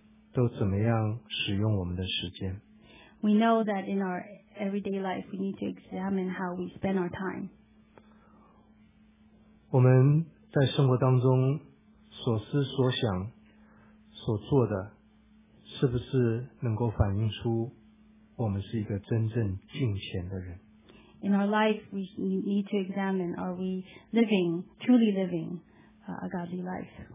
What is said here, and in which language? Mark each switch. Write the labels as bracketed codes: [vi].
[zh] 我们可以回想自己每天在生活当中都做些什么，都怎么样使用我们的时间。 [en] We know that in our everyday life, we need to examine how we spend our time. [zh] 我们在生活当中所思所想所做的，是不是能够反映出我们是一个真正敬虔的人？ [en] In our life, we need to examine: are we living, truly living, a godly life?